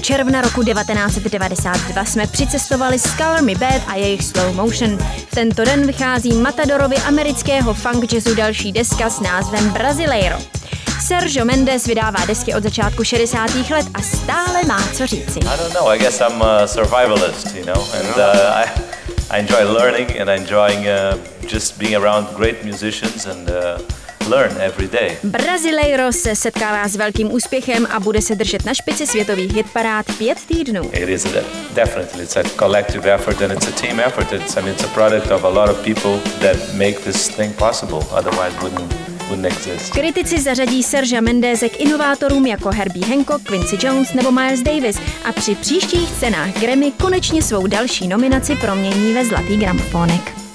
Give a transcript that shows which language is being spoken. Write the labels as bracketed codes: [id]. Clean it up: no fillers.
[cs] června roku 1992 jsme přicestovali s Color Me Bad a jejich Slow Motion. Tento den vychází Matadorovi amerického funk jazzu další deska s názvem Brasileiro. Sergio Mendes vydává desky od začátku 60. let a stále má co říci. [en] I don't know, I guess I'm a survivalist, you know, and I enjoy learning and I enjoy just being around great musicians and learn every day. [cs] Brasileiro se setkává s velkým úspěchem a bude se držet na špici světových hitparád 5 týdnů. [en] It is definitely it's a collective effort and it's a team effort. It's a product of a lot of people that make this thing possible. Otherwise wouldn't exist. [cs] Kritici zařadí Sergio Mendes k inovátorům jako Herbie Hancock, Quincy Jones nebo Miles Davis a při příštích cenách Grammy konečně svou další nominaci promění ve zlatý gramofonek.